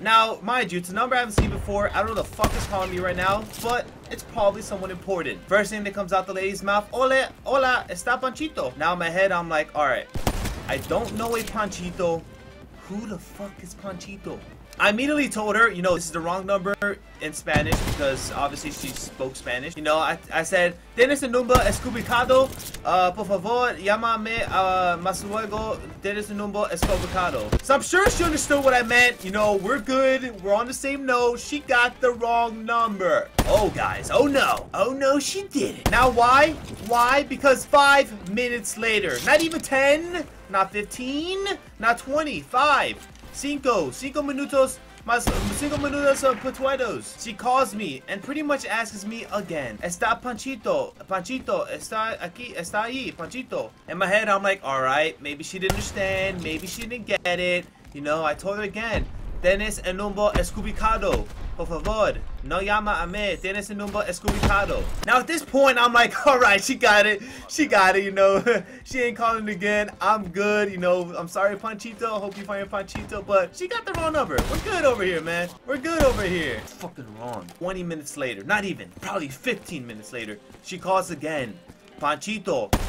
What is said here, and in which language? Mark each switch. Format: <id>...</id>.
<en>Now, mind you, it's a number I haven't seen before. I don't know the fuck is calling me right now, but it's probably someone important. First thing that comes out the lady's mouth, ole,</en> <es>hola, está Panchito.</es> <en>Now in my head, I'm like, all right, I don't know a Panchito. Who the fuck is Panchito? I immediately told her, you know, this is the wrong number in Spanish because obviously she spoke Spanish. You know, I said,</en> <es>tienes el número equivocado, por favor, llámame más luego, tienes el número equivocado.</es> <en>So I'm sure she understood what I meant. You know, we're good, we're on the same note. She got the wrong number. Oh, guys, oh no. Oh no, she did it. Now, why? Why? Because 5 minutes later, not even 10, not 15, not 20, 5.</en> <es>Cinco minutos</es> <en>of potatoes. She calls me and pretty much asks me again.</en> <es>Está Panchito. Panchito, está aquí, está ahí, Panchito.</es> <en>In my head, I'm like, all right, maybe she didn't understand. Maybe she didn't get it. You know, I told her again.</en> <es>Tienes el número equivocado. Por favor, no llama a mí. Tienes el número equivocado.</es> <en>Now, at this point, I'm like, all right, she got it. She got it, you know. She ain't calling again. I'm good, you know. I'm sorry, Panchito. I hope you find your Panchito. But she got the wrong number. We're good over here, man. We're good over here. It's fucking wrong. 20 minutes later, not even. Probably 15 minutes later, she calls again. Panchito.</en>